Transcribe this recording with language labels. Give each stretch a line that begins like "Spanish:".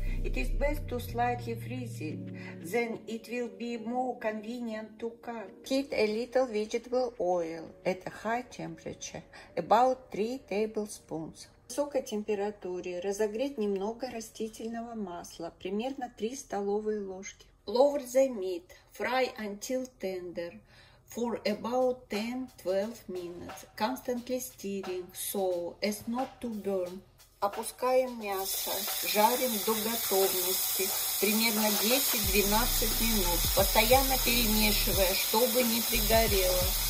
English: It is best to slightly freeze it. Then it will be more convenient to cut. Heat a little vegetable oil at a high temperature, about 3 tablespoons.
Russian: В высокой температуре разогреть немного растительного масла, примерно 3 столовые ложки.
English: Lower the meat, fry until tender. For about 10-12 minutes, constantly stirring, so as not to burn.
Russian: Опускаем мясо, жарим до готовности, примерно 10-12 минут, постоянно перемешивая, чтобы не пригорело.